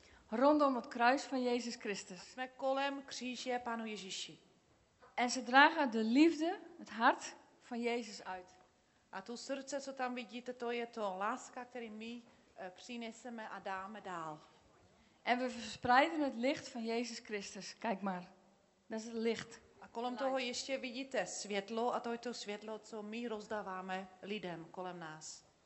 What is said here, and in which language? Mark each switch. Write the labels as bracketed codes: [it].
[nl] Rondom het kruis van Jezus Christus. [cs] A jsme kolem kříže Panu Ježíši. [nl] En ze dragen de liefde, het hart van Jezus uit. [cs] A to srdce, co tam vidíte, to je to láska, který my přineseme a dáme dál. [nl] En we verspreiden het licht van Jezus Christus. Kijk maar. Dat is het licht. [cs] A kolem toho ještě vidíte světlo a to je to světlo, co my rozdáváme lidem kolem nás.